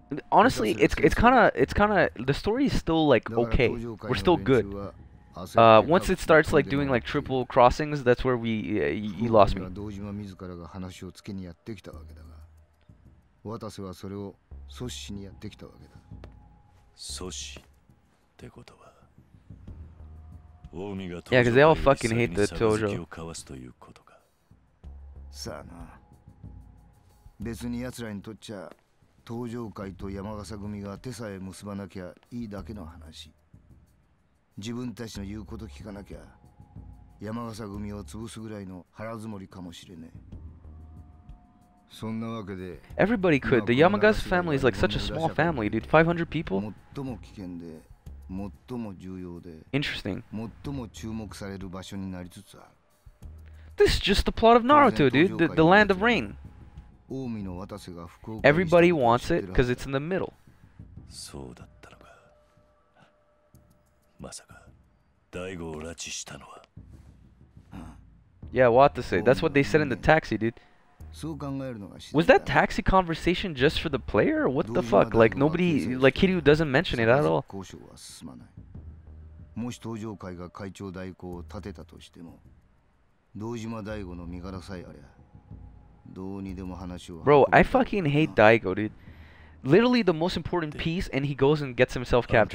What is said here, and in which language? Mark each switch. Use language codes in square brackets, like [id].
[en] Honestly, it's kind of the story is still like okay. We're still good. Once it starts like doing like triple crossings, that's where he lost me. [ja] 道島自らが話をつけにやってきたわけだが、渡瀬はそれを阻止しにやってきたわけだ。阻止ってことは、大海が東条を先に探す気を交わすということか。さあな、別に奴らにとっちゃ東条会と山笠組が手さえ結ばなきゃいいだけの話。自分たちの言うこと聞かなきゃ山笠組を潰すぐらいの腹積もりかもしれねえ。そんなわけで [en] Everybody could. The Yamagasa family is like such a small family, dude. 500 people? [ja] 最も危険で最も重要で [en] Interesting. [ja] 最も注目される場所になりつつある。 [en] This is just the plot of Naruto, dude. The Land of Rain. [ja] 大海の渡瀬が福岡 [en] Everybody wants it because it's in the middle. [ja] そうだった。まさか、大吾を拉致したのは。 [en] Yeah, what to say? That's what they said in the taxi, dude. [ja] そう考えるのが自然。 [en] Was that taxi conversation just for the player? What the fuck? Like nobody, like Kiryu doesn't mention it at all. [ja] 交渉は進まない。もし東条会が会長代行を立てたとしても、堂島大吾の身柄さえあれば、どうにでも話を。 [en] Bro, I fucking hate Daigo, dude. Literally the most important piece, and he goes and gets himself